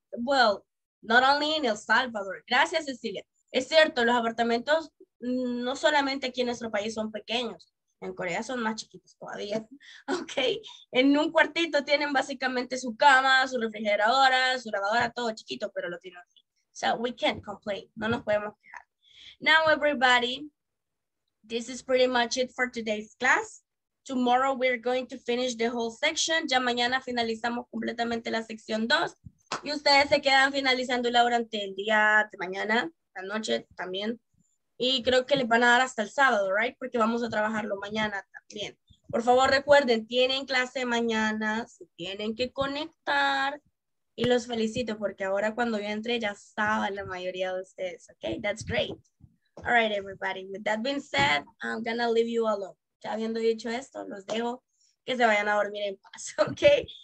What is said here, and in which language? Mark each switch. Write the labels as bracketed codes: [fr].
[en] Well, not only in El Salvador. [es] Gracias, Cecilia. Es cierto, los apartamentos no solamente aquí en nuestro país son pequeños. En Corea son más chiquitos todavía. Okay. En un cuartito tienen básicamente su cama, su refrigeradora, su lavadora, todo chiquito, pero lo tienen aquí. [en] So we can't complain. [es] No nos podemos quejar. [en] Now, everybody, this is pretty much it for today's class. Tomorrow we're going to finish the whole section. [es] Ya mañana finalizamos completamente la sección 2. Y ustedes se quedan finalizando la durante el día de mañana, la noche también. Y creo que les van a dar hasta el sábado, right? Porque vamos a trabajarlo mañana también. Por favor, recuerden, tienen clase mañana, se tienen que conectar. Y los felicito porque ahora cuando yo entré ya estaba la mayoría de ustedes. [en] Okay, that's great. All right, everybody. With that being said, I'm gonna leave you alone. [es] Ya habiendo dicho esto, los dejo que se vayan a dormir en paz, ¿ok?